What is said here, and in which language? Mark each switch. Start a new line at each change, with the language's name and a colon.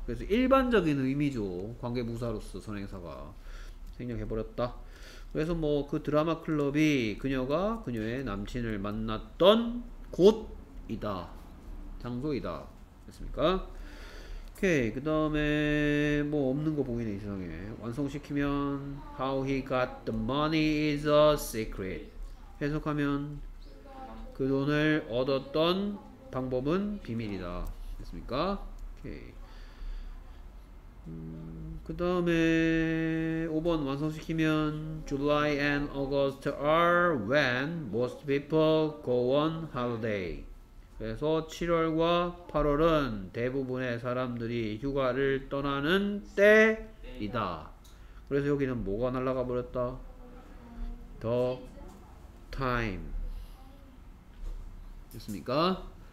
Korean: 그래서 일반적인 의미죠. 관계부사로서 선행사가 생략해버렸다. 그래서 뭐 그 드라마 클럽이 그녀가 그녀의 남친을 만났던 곳이다. 장소이다. 됐습니까? 오케이. 그 다음에 뭐 없는 거 보이네. 이상해. 완성시키면
English: How he got the money is a secret.
Korean: 해석하면 그 돈을 얻었던 방법은 비밀이다. 됐습니까? 그 다음에 5번 완성시키면
English: July and August are when most people go on holiday.
Korean: 그래서 7월과 8월은 대부분의 사람들이 휴가를 떠나는 때이다. 그래서 여기는 뭐가 날아가 버렸다?
English: The time.
Korean: 됐습니까?